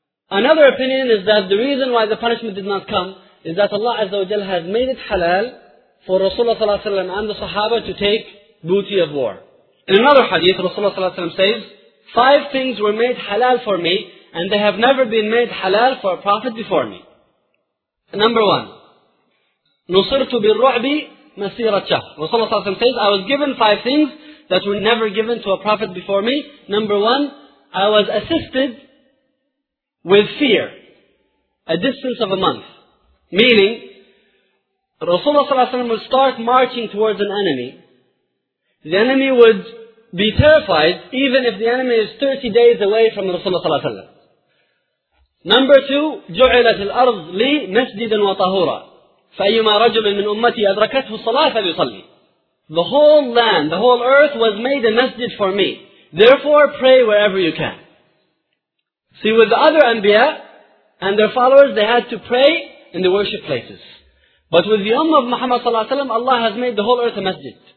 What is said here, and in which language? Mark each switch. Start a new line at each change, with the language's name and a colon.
English: Another opinion is that the reason why the punishment did not come is that Allah Azza wa Jal has made it halal for Rasulullah sallallahu alayhi wa sallam and the Sahaba to take booty of war. In another hadith, Rasulullah sallallahu alayhi wa sallam says, 5 things were made halal for me, and they have never been made halal for a prophet before me. Number 1,
Arabic: نُصِرْتُ بِالرُّعْبِ مَسِيرَةً شَهْرٍ.
English: Rasulullah sallallahu alayhi wa sallam says, I was given 5 things that were never given to a prophet before me. Number 1, I was assisted with fear, a distance of a month. Meaning, Rasulullah ﷺ would start marching towards an enemy. The enemy would be terrified, even if the enemy is 30 days away from Rasulullah ﷺ. Number 2,
Arabic: جعلت الأرض لي مسجدا وطهورا فأيما رجل من أمتي أدركته الصلاة فليصلي.
English: The whole land, the whole earth was made a masjid for me. Therefore, pray wherever you can. See, with the other Anbiya and their followers, they had to pray in the worship places. But with the Ummah of Muhammad sallallahu alayhi wa sallam, Allah has made the whole earth a masjid.